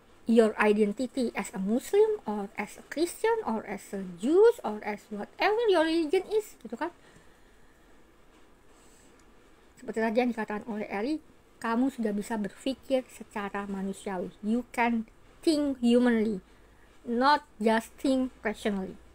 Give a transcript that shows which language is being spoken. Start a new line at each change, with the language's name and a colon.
English: your identity as a Muslim or as a Christian or as a Jews or as whatever your religion is,
Indonesian: gitu kan? Seperti tadi yang dikatakan oleh Eli, kamu sudah bisa berpikir secara manusiawi.
English: You can think humanly, not just think rationally.